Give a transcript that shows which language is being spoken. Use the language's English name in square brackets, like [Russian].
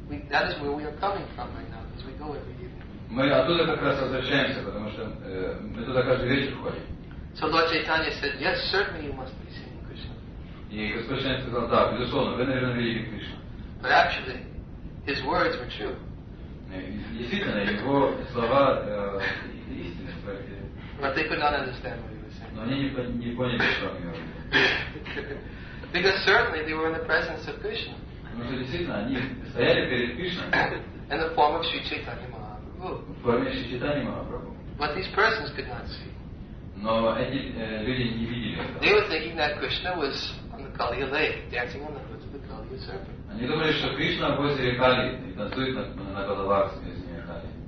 [English] That is where we are coming from right now, as we go every evening. [Russian] Мы оттуда как раз возвращаемся, потому что мы туда каждый вечер ходим. [English] So Lord Chaitanya said, yes, certainly you must be seeing Krishna. [Russian] И Господь Чайтанья сказал, да, безусловно, вы, наверное, видите Кришну. [English] But actually, his words were true. [Russian] Действительно, его слова истинны. [English] But they could not understand what he was saying. [Russian] Но они не поняли, что он говорил. [English] Because certainly they were in the presence of Krishna. [Russian] Потому что действительно они стояли перед Кришной. [English] In the form of Sri Chaitanya Mahaprabhu. [Russian] В форме Шри Чайтаньи Махапрабху. [English] But these persons could not see. [Russian] Но эти люди не видели этого. [English] They were thinking that Krishna was on the Kaliya lake, dancing on the hoods of the Kaliya serpent. [Russian] Они думали, что Кришна в озере Кали и танцует на головах змея Кали.